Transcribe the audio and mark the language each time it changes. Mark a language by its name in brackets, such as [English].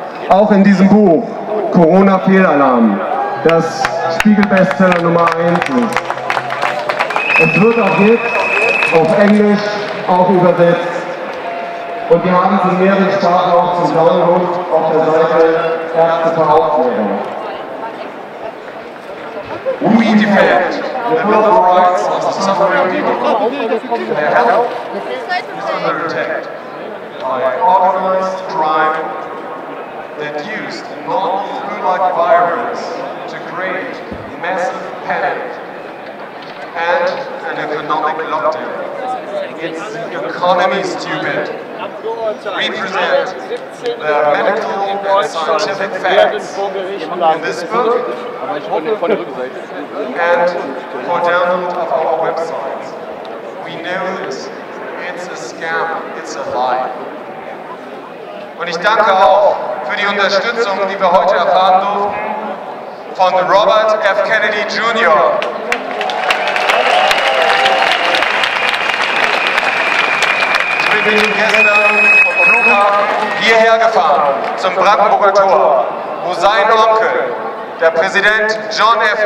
[German] Auch in diesem Buch, Corona-Fehlalarm, das Spiegel-Bestseller Nummer 1 ist. Es wird auch jetzt auf Englisch auch übersetzt. Und wir haben es in mehreren Sprachen auch zum Download auf der Seite Ärzte für Aufklärung. [English] We defend the Bill of Rights of the suffering people. Their health is under attack by organized crime that used non-flu-like virus to create massive panic and an economic lockdown. It's the economy, stupid. We present the medical and scientific facts in this book and for download of our websites. We know this. It's a scam. It's a lie. [German] Und ich danke auch für die Unterstützung, die wir heute erfahren durften. von Robert F. Kennedy Jr. Ich bin mit dem gestern Flughafen hierher gefahren, zum Brandenburger Tor, wo sein Onkel, der Präsident John F.